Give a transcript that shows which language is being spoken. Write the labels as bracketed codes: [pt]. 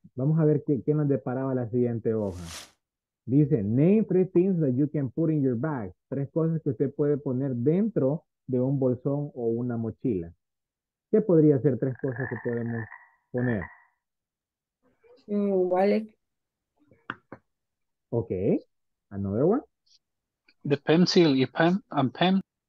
[es] Vamos a ver qué nos deparaba la siguiente hoja. Dice, [en] name three things that you can put in your bag. [es] Tres cosas que usted puede poner dentro de un bolsón o una mochila. ¿Qué podría ser tres cosas que podemos poner? [en] Wallet, Ok, another one. the pencil, your pen and pen,